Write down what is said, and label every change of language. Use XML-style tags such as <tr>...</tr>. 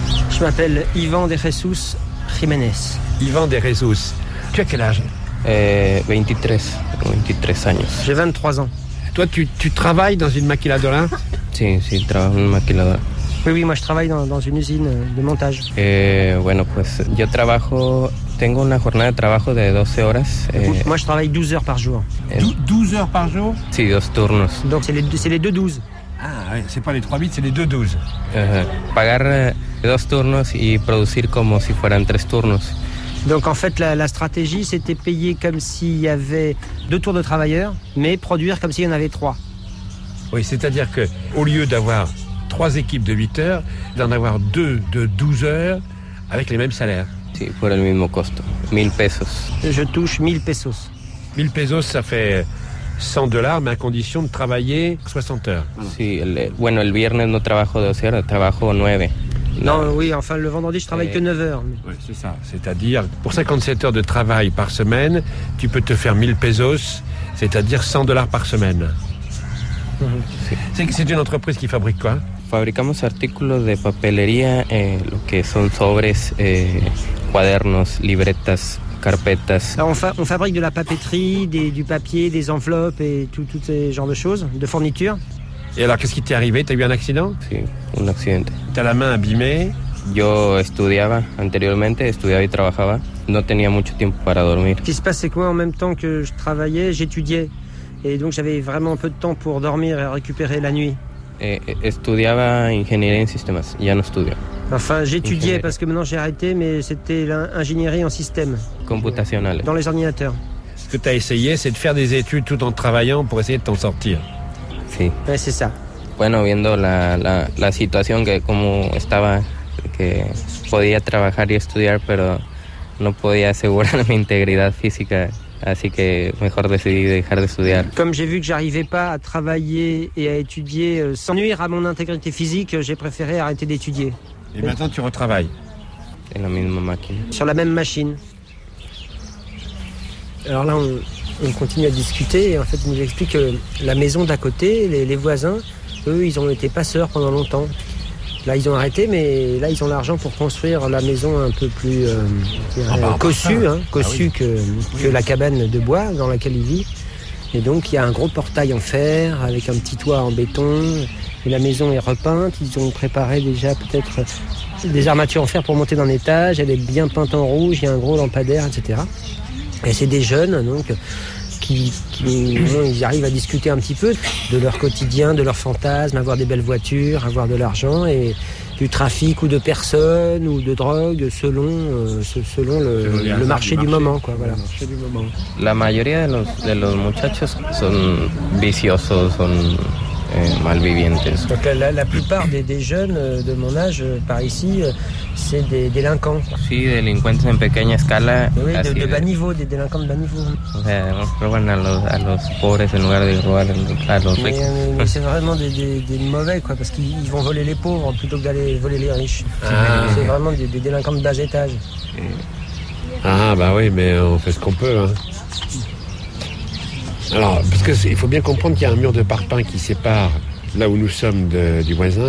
<fr>Je m'appelle Ivan de Jesús Jiménez. Ivan de Jesús. Tu as quel âge?</fr> <es>23 años.</es> <fr>J'ai 23 ans. Toi, tu travailles dans une maquiladora? Si, je travaille dans une maquiladora. Oui, oui, moi je travaille dans une usine de montage.</fr> <es>Bueno, pues yo trabajo, tengo una jornada de trabajo de 12 horas.</es> <fr>Moi je travaille 12 heures par jour. 12 heures par jour?</fr> <es>Sí, dos turnos.</es> <fr>Donc c'est les 2-12. Ah, ouais, c'est pas les 3-8, c'est les 2-12.</fr> <es>Pagar dos turnos y producir como si fueran tres turnos.</es> <fr>Donc en fait, la stratégie c'était payer comme s'il y avait deux tours de travailleurs, mais produire comme s'il y en avait trois. Oui, c'est-à-dire que au lieu d'avoir trois équipes de 8 heures, d'en avoir deux de 12 heures avec les mêmes salaires. Si, pour le même costo, 1000 pesos. Je touche 1000 pesos. 1000 pesos, ça fait 100 dollars, mais à condition de travailler 60 heures. Si, bueno, el viernes no trabajo 12 heures, trabajo 9. Non, oui, enfin, le vendredi, je travaille que 9 heures. Oui, c'est ça. C'est-à-dire, pour 57 heures de travail par semaine, tu peux te faire 1000 pesos, c'est-à-dire 100 dollars par semaine. C'est une entreprise qui fabrique quoi?</fr> <es>Fabricamos artículos de papelería, lo que son sobres, cuadernos, libretas, carpetas.</es> <fr>On fabrique de la papeterie, du papier, des enveloppes et tout ces genres de choses, de fournitures. Et alors, qu'est-ce qui t'est arrivé? T'as eu un accident? Sí, un accident. T'as la main abîmée?</fr> <es>Yo estudiaba anteriormente, estudiaba y trabajaba. No tenía mucho tiempo para dormir.</es> <fr>Ce qui se passait quoi en même temps que je travaillais, j'étudiais? Et donc j'avais vraiment peu de temps pour dormir et récupérer la nuit.</fr> <es>Estudiaba ingeniería en sistemas, ya no estudio.</es> <fr>Enfin, j'étudiais ingeniería. Parce que maintenant j'ai arrêté, mais c'était l'ingénierie en système.</fr> <es>Computacional.</es> <fr>Dans les ordinateurs. Ce que tu as essayé, c'est de faire des études tout en travaillant pour essayer de t'en sortir.</fr> <es>Sí.</es> <fr>Ouais, c'est ça.</fr> <es>Bueno, viendo la situación que como estaba, que podía trabajar y estudiar, pero no podía asegurar mi integridad física. Así que mejor decidí dejar de estudiar.</es> <fr>Comme j'ai vu que j'arrivais pas à travailler et à étudier sans nuire à mon intégrité physique, j'ai préféré arrêter d'étudier. Et maintenant tu retravailles. En la même machine. Sur la même machine. Alors là on continue à discuter et en fait il nous explique que la maison d'à côté, les voisins, eux ils ont été passeurs pendant longtemps. Là, ils ont arrêté, mais là, ils ont l'argent pour construire la maison un peu plus cossue que la cabane de bois dans laquelle ils vivent. Et donc, il y a un gros portail en fer avec un petit toit en béton. Et la maison est repeinte. Ils ont préparé déjà peut-être des armatures en fer pour monter dans l'étage. Elle est bien peinte en rouge. Il y a un gros lampadaire, etc. Et c'est des jeunes, donc, ils arrivent à discuter un petit peu de leur quotidien, de leurs fantasmes, avoir des belles voitures, avoir de l'argent et du trafic ou de personnes ou de drogue selon le marché du moment, quoi. Voilà.</fr> <es>La mayoría de los muchachos son viciosos, son malvivientes.</es> <fr>Donc la plupart des jeunes de mon âge par ici, c'est des délinquants.</fr> <es>Sí, delincuentes en pequeña escala.</es> <fr>Oui, de bas niveau, des délinquants de bas niveau.</fr> <es>Roban a los pobres en lugar de robar a los ricos.</es> <fr>Mais c'est vraiment des mauvais, quoi, parce qu'ils vont voler les pauvres plutôt que d'aller voler les riches. Ah. C'est vraiment des délinquants de bas étage. Ah bah oui, mais on fait ce qu'on peut, hein. Alors, parce qu'il faut bien comprendre qu'il y a un mur de parpaing qui sépare là où nous sommes du voisin.</fr>